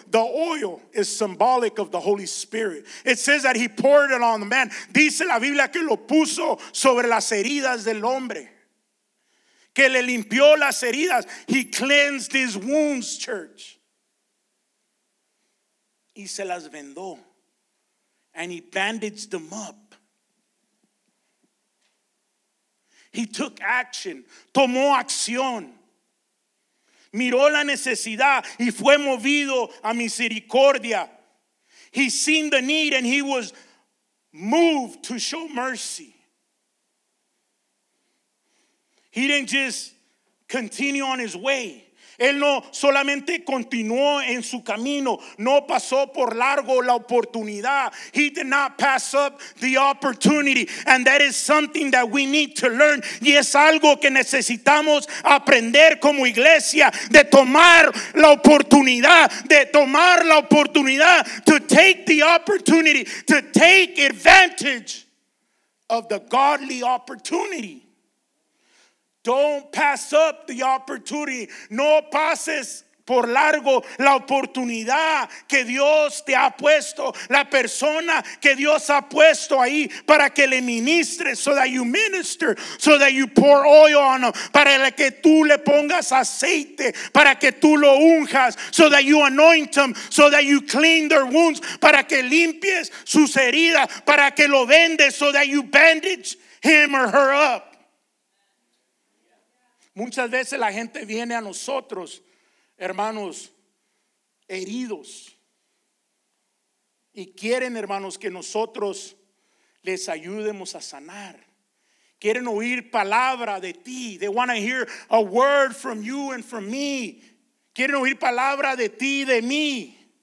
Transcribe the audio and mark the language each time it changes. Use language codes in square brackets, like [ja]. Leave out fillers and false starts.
[en] The oil is symbolic of the Holy Spirit. It says that he poured it on the man. [es] Dice la Biblia que lo puso sobre las heridas del hombre. Que le limpió las heridas. [en] He cleansed his wounds, church. [es] Y se las vendó. [en] And he bandaged them up. He took action. [es] Tomó acción. Miró la necesidad y fue movido a misericordia. [en] He seen the need and he was moved to show mercy. He didn't just continue on his way. [es] Él no solamente continuó en su camino. No pasó por largo la oportunidad. [en] He did not pass up the opportunity. And that is something that we need to learn. [es] Y es algo que necesitamos aprender como iglesia. De tomar la oportunidad. De tomar la oportunidad. [en] To take the opportunity. To take advantage of the godly opportunity. Don't pass up the opportunity. [es] No pases por largo la oportunidad que Dios te ha puesto, la persona que Dios ha puesto ahí para que le ministres, [en] so that you minister, so that you pour oil on them, [es] para que tú le pongas aceite, para que tú lo unjas, [en] so that you anoint them, so that you clean their wounds, [es] para que limpies sus heridas, para que lo vendes, [en] so that you bandage him or her up. [es] Muchas veces la gente viene a nosotros, hermanos, heridos. Y quieren, hermanos, que nosotros les ayudemos a sanar. Quieren oír palabra de ti. [en] They want to hear a word from you and from me. [es] Quieren oír palabra de ti y de mí.